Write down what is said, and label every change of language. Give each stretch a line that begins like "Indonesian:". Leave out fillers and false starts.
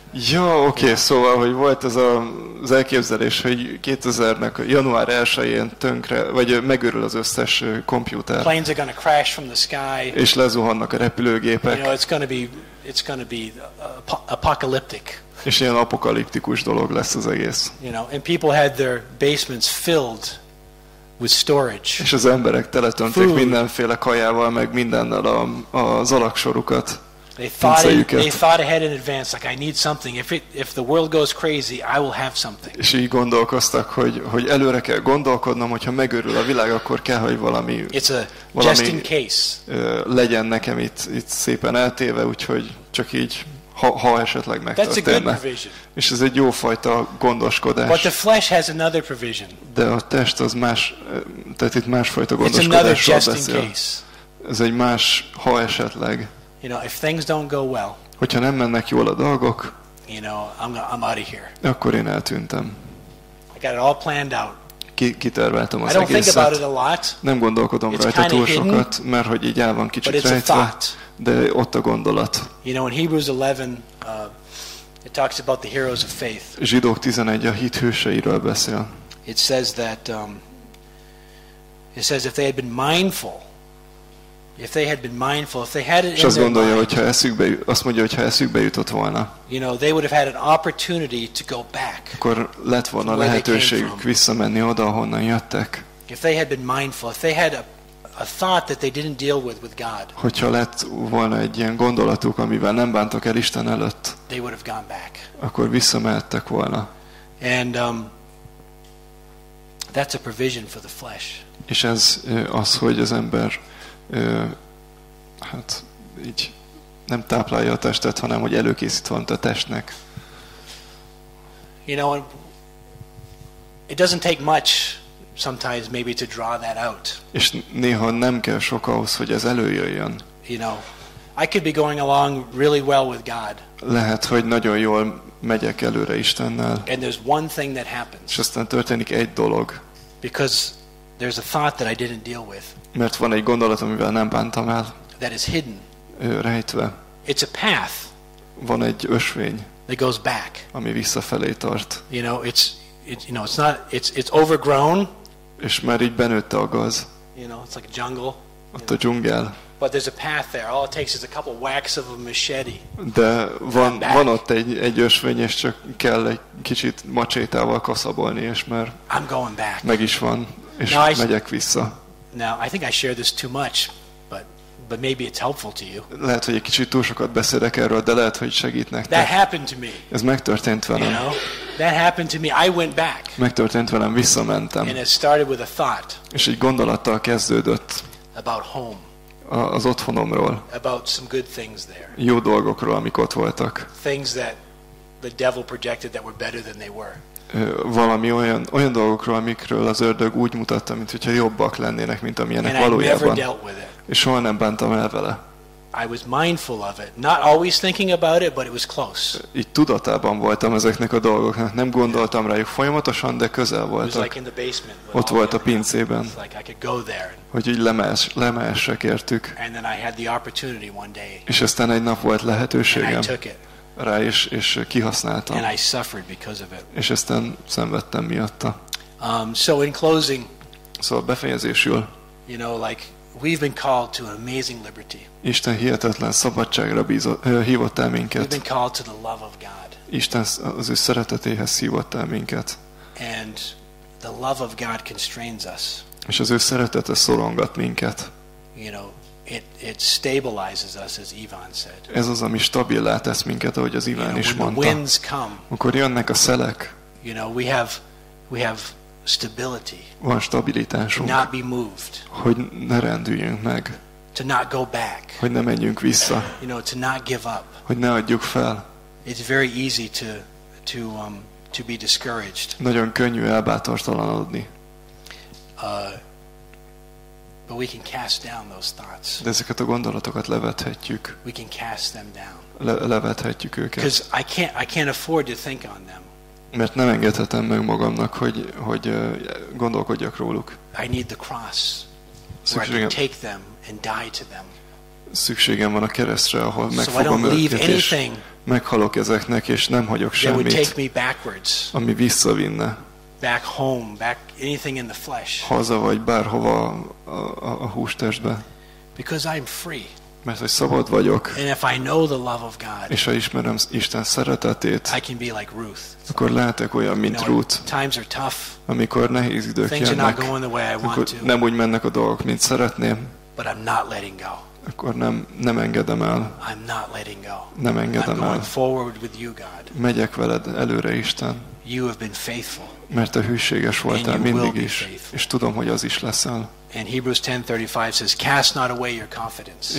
Hungarian: Jó, oké, szóval, hogy volt ez az elképzelés, hogy 2000-nek január 1-én tönkre, vagy megőrül az összes komputer.
English: Planes are gonna crash from the sky.
Hungarian: És lezuhannak a repülőgépek.
English: You know, it's gonna be apocalyptic.
Hungarian: És ilyen apokaliptikus dolog lesz az egész.
English: You know, and people had their basements filled with storage.
Hungarian: És az emberek teletöntik mindenféle kajával, meg mindennel az alaksorukat.
English: They thought ahead in advance, like I need something. If the world goes crazy, I will have something.
Hungarian: És így gondolkoztak, hogy előre kell gondolkodnom, hogyha megőrül a világ, akkor kell, hogy valami.
English: It's a valami, just in case.
Hungarian: Legyen nekem itt szépen eltéve, úgyhogy csak így. Ha esetleg megtörténne. És ez egy jófajta gondoskodás.
English: But the flesh has another provision.
Hungarian: De a test az más, tehát itt másfajta gondoskodásról beszél. Ez egy más, ha esetleg.
English: You know, if things don't go well,
Hungarian: hogyha nem mennek jól a dolgok,
English: you know, I'm out of here.
Hungarian: Akkor én eltűntem.
English: I got it all planned out.
Hungarian: Kiterveltem az
English: I don't
Hungarian: egészet.
English: Think about it a lot.
Hungarian: Nem gondolkodom
English: it's
Hungarian: rajta túl sokat,
English: hidden,
Hungarian: mert hogy így el van kicsit rejtve, de ott a gondolat.
English: You know, in Hebrews 11, it talks about the heroes of faith.
Hungarian: Zsidók 11 a hit hőseiről beszél.
English: It says that if they had been mindful, if they had it in their mind,
Hungarian: azt mondja, hogyha eszükbe jutott volna.
English: You know, they would have had an opportunity to go back.
Hungarian: Akkor lett volna lehetőségük visszamenni oda, ahonnan jöttek.
English: If they had been mindful, if they had a thought that they didn't deal with God.
Hungarian: Hogyha lett volna egy ilyen gondolatuk, amivel nem bántak el Isten előtt.
English: They would have gone back.
Hungarian: Akkor visszamehettek volna.
English: And that's a provision for the flesh.
Hungarian: És ez az, hogy az ember hát így nem táplálja a testet, hanem hogy előkészít van a testnek.
English: You know, it doesn't take much sometimes maybe to draw that out.
Hungarian: És néha nem kell sok ahhoz, hogy ez előjöjjön.
English: You know, I could be going along really well with God.
Hungarian: Lehet, hogy nagyon jól megyek előre Istennel.
English: And there's one thing that happens.
Hungarian: És aztán történik egy dolog.
English: Because there's a thought that I didn't deal with.
Hungarian: Mert van egy gondolat, amivel nem bántam el.
English: That is hidden.
Hungarian: Rejtve.
English: It's a path.
Hungarian: Van egy ösvény.
English: That goes back.
Hungarian: Ami visszafelé tart.
English: You know, it's overgrown.
Hungarian: És már így benőtte a gaz.
English: You know, it's like a jungle.
Hungarian: Ott a dzsungel.
English: But there's a path there. All it takes is a couple whacks of a machete.
Hungarian: De van ott egy ösvény, és csak kell egy kicsit macsétával kaszabolni, és már
English: I'm going back.
Hungarian: Meg is van. És now, megyek vissza.
English: Now, I think I share this too much, but maybe it's helpful to you.
Hungarian: Lehet, hogy egy kicsit túl sokat beszélek erről, de lehet, hogy segít nektek.
English: That happened to me.
Hungarian: Ez megtörtént velem.
English: You know? That happened to me. I went back.
Hungarian: Megtörtént velem, visszamentem.
English: And it started with a thought.
Hungarian: És egy gondolattal kezdődött.
English: About home.
Hungarian: Az otthonomról.
English: About some good things there.
Hungarian: Jó dolgokról, amik ott voltak.
English: Things that the devil projected that were better than they were.
Hungarian: Valami olyan dolgokról, amikről az ördög úgy mutatta, mint hogyha jobbak lennének, mint amilyenek
English: and
Hungarian: valójában. És soha nem bántam el vele.
English: I was mindful of it. Not always thinking about it, but it was close.
Hungarian: Így tudatában voltam ezeknek a dolgoknak. Nem gondoltam rájuk folyamatosan, de közel voltak.
English: Like in the basement,
Hungarian: ott volt a pincében.
English: Like I could go there.
Hungarian: Hogy így lemehessek értük.
English: And then I had the opportunity one day.
Hungarian: És aztán egy nap volt lehetőségem.
English: And I took it.
Hungarian: Rá is, és kihasználtam.
English: And I suffered because of it.
Hungarian: És aztán szenvedtem miatta.
English: So in closing,
Hungarian: szóval befejezésül,
English: you know, like we've been called to an amazing liberty.
Hungarian: Isten hihetetlen szabadságra hívott el minket.
English: We've been called to the love of God.
Hungarian: Isten az ő szeretetéhez hívott el minket.
English: And the love of God constrains us.
Hungarian: És az ő szeretete szorongat minket.
English: You know, It stabilizes us, as Ivan said.
Hungarian: Ez az, ami stabillá tesz minket, ahogy az Iván is mondta.
English: When the winds come,
Hungarian: akkor jönnek a szelek.
English: You know, we have stability.
Hungarian: Van stabilitásunk.
English: Not be moved.
Hungarian: Hogy ne rendüljünk meg.
English: To not go back.
Hungarian: Hogy ne menjünk vissza.
English: You know, to not give up.
Hungarian: Hogy ne adjuk fel.
English: It's very easy to be discouraged.
Hungarian: Nagyon könnyű elbátortalanodni.
English: But we can cast down those thoughts.
Hungarian: De ezeket a gondolatokat levethetjük.
English: We can cast them down.
Hungarian: Levethetjük őket.
English: Because I can't afford to think on them.
Hungarian: Mert nem engedhetem meg magamnak, hogy gondolkodjak róluk.
English: I need the cross. Where I can take them and die to them.
Hungarian: Szükségem van a keresztre, ahol megfogom őket, és meghalok ezeknek, és nem hagyok semmit.
English: They would take me backwards.
Hungarian: Ami visszavinne.
English: Back home, back anything in the flesh.
Hungarian: Haza vagy bárhova a hústestbe.
English: Because I'm free.
Hungarian: Mert hogy szabad vagyok.
English: And if I know the love of God.
Hungarian: És ha ismerem Isten szeretetét.
English: I can be like Ruth.
Hungarian: Akkor lehetek olyan, mint Ruth.
English: Times are tough.
Hungarian: Amikor nehéz idők jönnek.
English: Things are not going the way I want to.
Hungarian: Nem úgy mennek a dolgok, mint szeretném.
English: But I'm not letting go.
Hungarian: akkor nem engedem el.
English: I'm not letting go.
Hungarian: Nem engedem el.
English: I'm going forward with you, God.
Hungarian: Megyek veled előre, Isten.
English: You have been faithful.
Hungarian: Mert te hűséges voltál mindig is, és tudom, hogy az is leszel.
English: And Hebrews 10:35 says, cast not away your confidence.